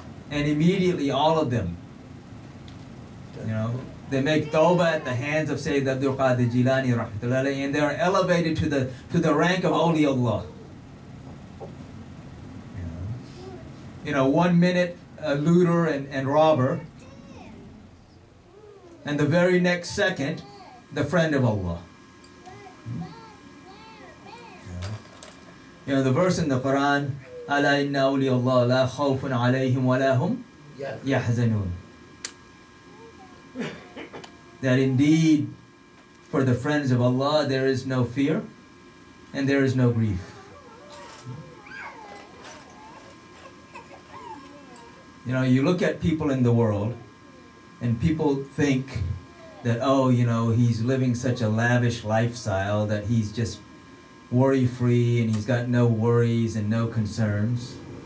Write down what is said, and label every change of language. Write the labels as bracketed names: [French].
[English] And immediately all of them, you know, they make tawbah at the hands of Sayyid Abdul Qadir Jilani rahmatullahi, and they are elevated to the rank of awliyaullah. You know, 1 minute a looter and robber, and the very next second, the friend of Allah. You know, the verse in the Quran, [Arabic] أَلَا إِنَّ أَوْلِيَ اللَّهِ لَا خَوْفٌ عَلَيْهِمْ وَلَا هُمْ يَحْزَنُونَ. [English] That indeed, for the friends of Allah, there is no fear and there is no grief. You know, you look at people in the world and people think that, oh, you know, he's living such a lavish lifestyle that he's just worry-free and he's got no worries and no concerns.